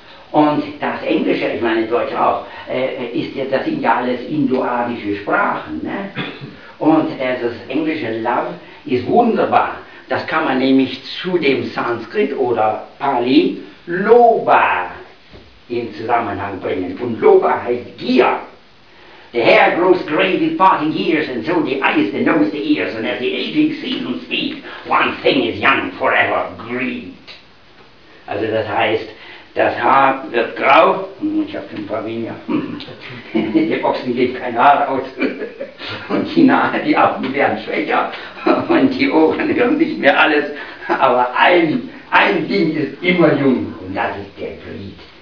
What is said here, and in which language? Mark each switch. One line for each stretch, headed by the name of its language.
German: Und das Englische, ich meine Deutsch auch, ist ja, das sind ja alles indoarische Sprachen. Ne? Und das englische Love ist wunderbar. Das kann man nämlich zu dem Sanskrit oder Pali Loba in Zusammenhang bringen. Und Loba heißt Gier.
English: The hair grows gray with parting years, and so the eyes, the nose, the ears, and as the aging seasons speak, one thing is young forever, greed.
German: Also das heißt, das Haar wird grau, ich habe ein paar weniger, die Ochsen geben kein Haar aus, und die Augen werden schwächer, und die Ohren hören nicht mehr alles, aber ein Ding ist immer jung, und das ist der Greed.